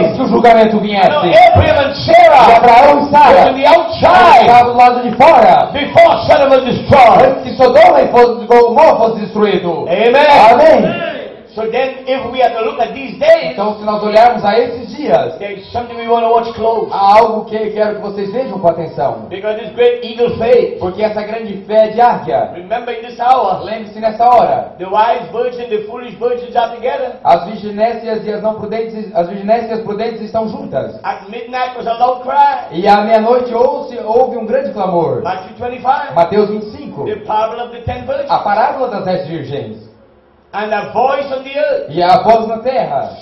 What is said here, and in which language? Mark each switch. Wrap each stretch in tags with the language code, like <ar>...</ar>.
<pt>Antes que o julgamento viesse.</pt> <en>No, Abraham and Sarah.</en> <pt>E Abraão e Sara.</pt> <en>Was on the outside.</en> <pt>Estava do lado de fora.</pt> <en>Before Sodom was destroyed.</en> <pt>Antes que Sodoma e Gomorra fosse destruído.</pt> <en>Amen.</en> <pt>Amém.</pt> <en>So then, if we are to look at these days,</en> <pt>então, se nós olharmos a esses dias,</pt> <en>there's something we want to watch close.</en> <pt>Há algo que eu quero que vocês vejam com atenção.</pt> <en>Because this great eagle faith.</en> <pt>Porque essa grande fé de águia.</pt> <en>Remember in this hour.</en> <pt>Lembre-se nessa hora.</pt> <en>The wise virgin, the foolish virgins are together.</en> <pt>As virginécias e as não prudentes, as virginécias prudentes estão juntas.</pt> <en>At midnight was a loud cry.</en> <pt>E à meia-noite houve um grande clamor.</pt> <en>Matthew 25.</en> <pt>Mateus 25.</pt> <en>The parable of the ten virgins.</en> <pt>A parábola das dez virgens.</pt> <en>And a voice on the earth.</en> <pt>E a voz na terra.</pt>